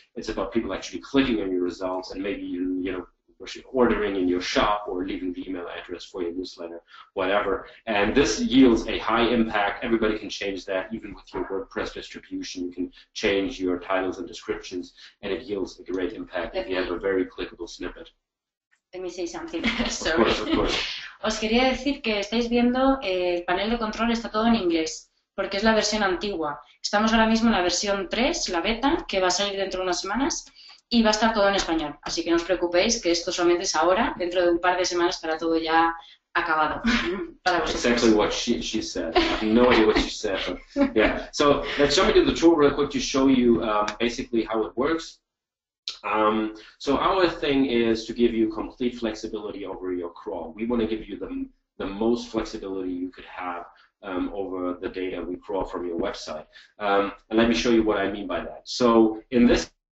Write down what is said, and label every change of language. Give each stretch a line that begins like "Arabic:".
English: It's about people actually clicking on your results and maybe ordering in your shop or leaving the email address for your newsletter, whatever. And this yields a high impact. Everybody can change that, even with your WordPress distribution. You can change your titles and descriptions, and it yields a great impact if you have a very clickable snippet. Let me say something. Of course.
Spanish: Os quería decir que estáis viendo el panel de control está todo en inglés, porque es la versión antigua. Estamos ahora mismo en la versión 3, la beta, que va a salir dentro de unas semanas. Y va a estar todo en español, así que no os preocupéis, que esto solamente es ahora, dentro de un par de semanas estará todo ya acabado. Para
English: exactly what she said. I have no idea what she said. But yeah. So let's jump into the tool real quick to show you basically how it works. So our thing is to give you complete flexibility over your crawl. We want to give you the most flexibility you could have over the data we crawl from your website. And let me show you what I mean by that. So in this